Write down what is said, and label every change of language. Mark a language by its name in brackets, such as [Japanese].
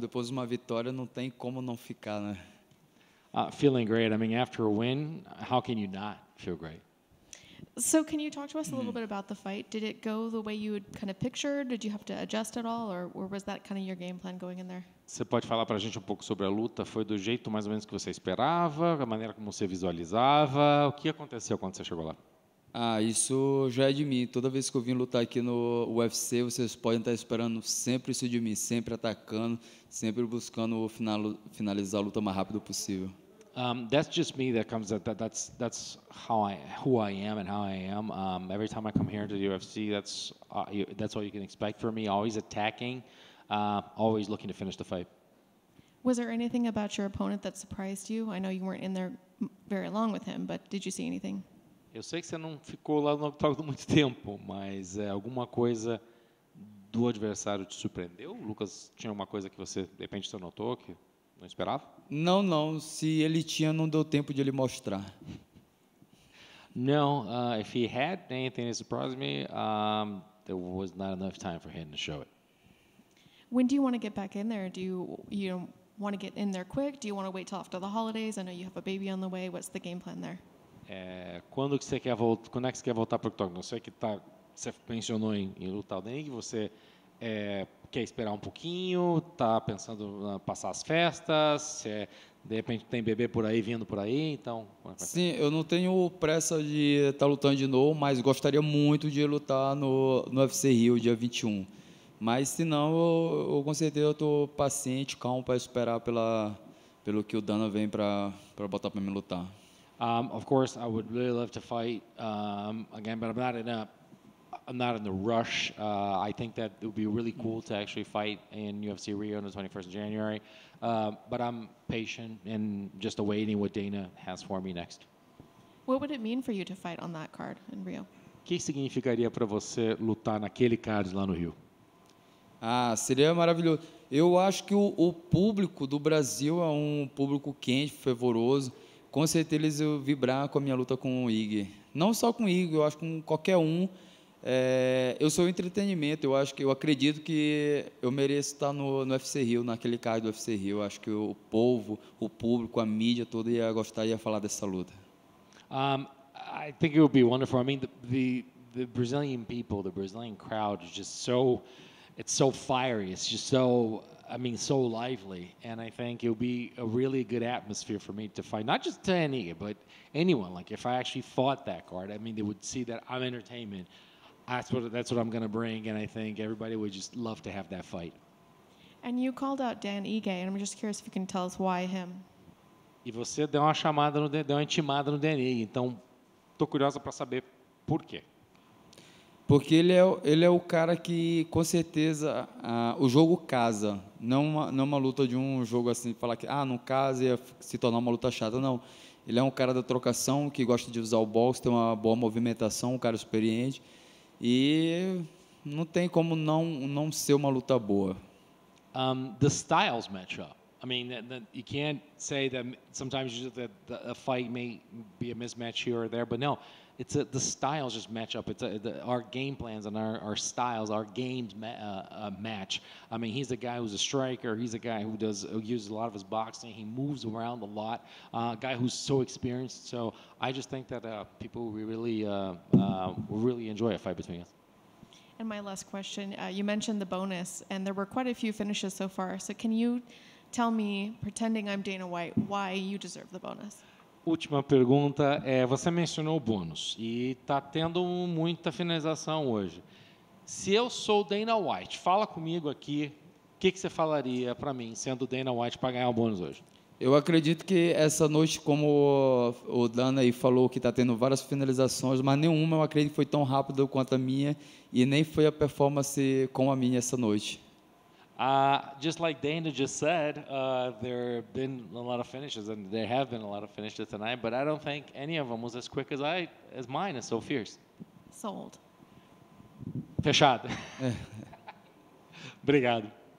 [Portuguese] Depois de uma vitória, não tem como não ficar, né? [English] Feeling great. I mean, after a win, how can you not feel great? So, can you talk to us a little bit about the fight? Did it go the way you had kind of pictured? Did you have to adjust at all? Or was that kind of your game plan going in there? [Portuguese] Você pode falar para a gente um pouco sobre a luta? Foi do jeito mais ou menos que você esperava? A maneira como você visualizava? O que aconteceu quando você chegou lá? Isso já é de mim. Toda vez que eu vim lutar aqui no UFC, vocês podem estar esperando sempre isso de mim, sempre atacando, sempre buscando finalizar a luta o mais rápido possível. [English] That's just me that comes at that. That's how I, who I am and how I am. Every time I come here to the UFC, that's all you can expect from me. Always attacking, always looking to finish the fight. Was there anything about your opponent that surprised you? I know you weren't in there very long with him, but did you see anything? [Portuguese] Eu sei que você não ficou lá no octógono muito tempo, mas alguma coisa do adversário te surpreendeu? Lucas, tinha alguma coisa que você, de repente, você notou que não esperava? Não, não. Se ele tinha, não deu tempo de ele mostrar. Não. [English] If he had anything that surprised me, there was not enough time for him to show it. When do you want to get back in there? Do you want to get in there quick? Do you want to wait till after the holidays? I know you have a baby on the way. What's the game plan there? [Portuguese] Quando que você quer voltar? Quando é que você quer voltar para o octógono? Você que tá, você pensionou em lutar o dengue, você quer esperar um pouquinho, tá pensando em passar as festas, de repente tem bebê por aí, vindo por aí, então... Sim, eu não tenho pressa de estar lutando de novo, mas gostaria muito de lutar no UFC Rio, dia 21. Mas se não, eu com certeza estou paciente, calmo, para esperar pelo que o Dana vem para botar para me lutar. [English] Of course, I would really love to fight again, but I'm not in the rush. I think that it would be really cool to actually fight in UFC Rio on the 21st of January. But I'm patient and just awaiting what Dana has for me next. What would it mean for you to fight on that card in Rio? [Portuguese] Que significaria para você lutar naquele card lá no Rio? Seria maravilhoso. Eu acho que o público do Brasil é um público quente, fervoroso. Com certeza eles iam vibrar com a minha luta com o Ig. Não só com o Ig, eu acho que com qualquer um. Eu sou entretenimento, eu acredito que eu mereço estar no UFC Rio, naquele card do UFC Rio. Eu acho que o povo, o público, a mídia toda ia gostar, ia falar dessa luta. [English] I think it would be wonderful. I mean, the Brazilian people, the Brazilian crowd is just so, it's so fiery, it's just so, I mean, so lively. And I think it would be a really good atmosphere for me to fight, not just to any, but anyone. Like, if I actually fought that card, I mean, they would see that I'm entertainment. That's what I'm going to bring, and I think everybody would just love to have that fight. And you called out Dan Ige, and I'm just curious if you can tell us why him. [Portuguese] E você deu uma chamada, deu uma intimada no Dan Ige, então tô curiosa para saber por quê. Porque ele é o cara que, com certeza, o jogo casa. Não uma luta de um jogo assim, falar que, não casa e se tornar uma luta chata, não. Ele é um cara da trocação, que gosta de usar o boxe, tem uma boa movimentação, um cara experiente. E não tem como não ser uma luta boa. [English] The styles match up. I mean, you can't say that sometimes a fight may be a mismatch here or there, but no. It's the styles just match up. Our game plans and our styles, our games match. I mean, he's a guy who's a striker. He's a guy who uses a lot of his boxing. He moves around a lot. A guy who's so experienced. So I just think that people will really enjoy a fight between us. And my last question, you mentioned the bonus, and there were quite a few finishes so far. So can you tell me, pretending I'm Dana White, why you deserve the bonus? [Portuguese] Última pergunta, você mencionou o bônus e está tendo muita finalização hoje. Se eu sou Dana White, fala comigo aqui, o que você falaria para mim, sendo Dana White, para ganhar o bônus hoje? Eu acredito que essa noite, como o Dana aí falou, que está tendo várias finalizações, mas nenhuma eu acredito que foi tão rápida quanto a minha e nem foi a performance como a minha essa noite. [English] Just like Dana just said, there have been a lot of finishes, and there have been a lot of finishes tonight, but I don't think any of them was as quick as mine, is so fierce. Sold. [Portuguese] Fechado. Obrigado.